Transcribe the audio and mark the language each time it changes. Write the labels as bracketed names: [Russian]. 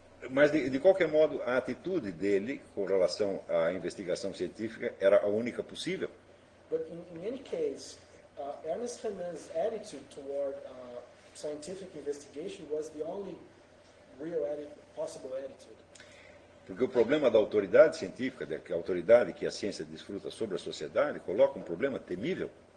[Portuguese] Mas de qualquer modo, a atitude dele com relação à investigação científica era a única possível. [English] But in any case, Ernest Renan's attitude toward scientific investigation was the only real possible attitude. [Portuguese] Porque o problema da autoridade científica, da autoridade que a ciência desfruta sobre a sociedade, coloca um problema temível.